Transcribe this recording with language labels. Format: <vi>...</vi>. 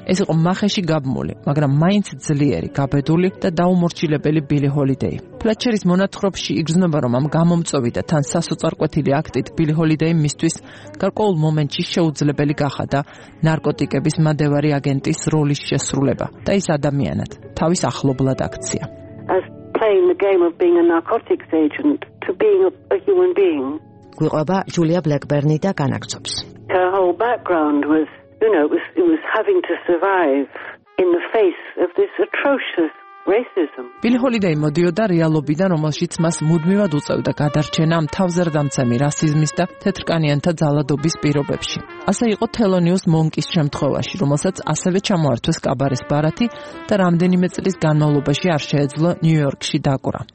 <ka>ეს იყო მახეში გაბმული, მაგრამ მაინც ძლიერი, გაბედული და დაუმორჩილებელი ბილი ჰოლიდეი. ფლეტჩერის მონათხრობში იგრძნობა, რომ ამ გამომწვევი და თან სასოწარკვეთილი აქტით ბილი ჰოლიდეი მისთვის გარკვეულ მომენტში შეუძლებელი გახადა ნარკოტიკების მადევარი აგენტის როლის შესრულება და ის ადამიანად თავის ახლობლად აქცია.</ka> <en>As playing the game of being a narcotics agent to being a human being.</en> <ka>გვიყვება ჯულია ბლეკბერნი და განაგცობს.</ka> <en>Her whole background was, you know, it was having to survive in the face of this atrocious racism.</en> <ka>ბილი ჰოლიდეი მოდიოდა რეალობიდან, რომელშიც მას მუდმივად უწევდა გადარჩენა თავზარდამცემი რასიზმის და თეთრკანიანთა ძალადობის პირობებში. ასე იყო თელონიუს მონკის შემთხვევაში, რომელსაც ასევე ჩამოართვეს კაბარეს ბარათი და რამდენიმე წლის განმავლობაში არ შეეძლო ნიუ-იორკში დაკვრა.</ka>